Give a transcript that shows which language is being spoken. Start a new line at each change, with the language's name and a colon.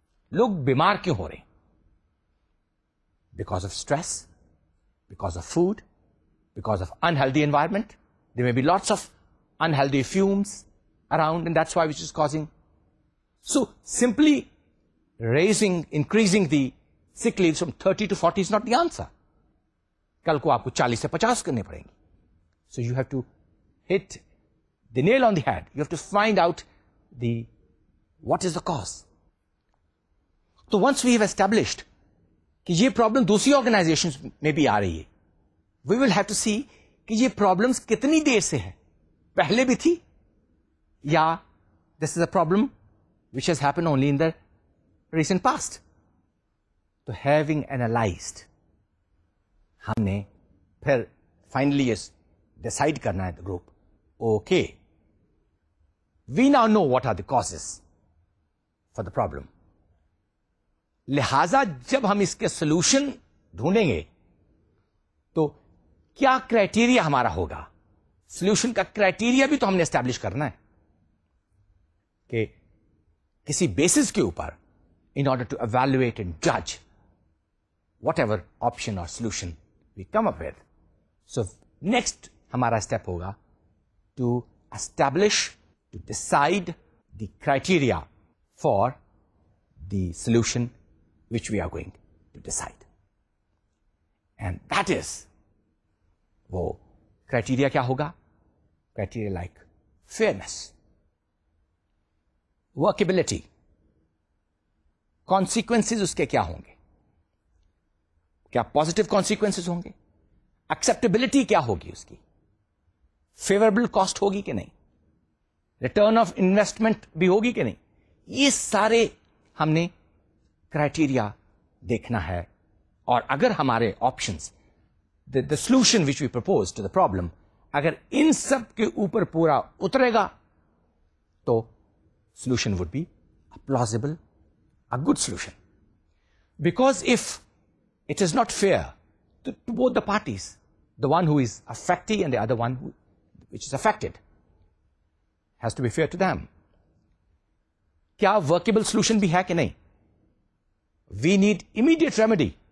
Urdu: Log bimar kyun ho rahe?
English: Because of stress, because of food, because of unhealthy environment. There may be lots of unhealthy fumes around, and that's why which is causing. So simply increasing the sick leaves from 30 to 40 is not the answer.
Urdu: کل کو آپ کو 40 سے 50 کرنے پڑیں گے.
English: So you have to hit the nail on the head. You have to find out the what is the cause. So once we have established
Urdu: کہ یہ
English: problem
Urdu: دوسری
English: organizations
Urdu: میں بھی آ رہی ہے,
English: we will have to see کہ یہ problems
Urdu: کتنی دیر سے ہیں, پہلے بھی تھی یا
English: this is a problem which has happened only in the recent past. So having analyzed,
Urdu: ہم نے پھر
English: finally decide
Urdu: کرنا ہے
English: The group. Okay, we now know what are the causes for the problem.
Urdu: لہذا جب ہم اس کے سولوشن ڈھونڈیں گے تو کیا کرائٹیریا ہمارا ہوگا؟
English: Solution کا criteria بھی تو ہم نے اسٹیبلش کرنا ہے کہ کسی بیسس کے اوپر, in order to evaluate and جج وٹ ایور آپشن اور solution we come up with. So next
Urdu: hamara
English: step hoga to establish, to decide the criteria for the solution which we are going to decide. And that is
Urdu: wo
English: criteria
Urdu: kya hoga?
English: Criteria like fairness, workability, consequences
Urdu: uske kya honge, کیا
English: positive consequences
Urdu: ہوں گے,
English: Acceptability کیا ہوگی اس کی, فیوربل کاسٹ ہوگی کہ نہیں, ریٹرن آف انویسٹمنٹ بھی ہوگی کہ نہیں, یہ سارے ہم نے کرائٹیریا دیکھنا ہے. اور اگر ہمارے options the solution which we propose to the problem اگر ان سب کے اوپر پورا اترے گا تو solution would be plausible, a good solution. Because of it is not fair to both the parties, the one who is affected and the other one who, which is affected, has to be fair to them. Kya workable solution
Urdu: bhi hai ki nahi?
English: We need immediate remedy.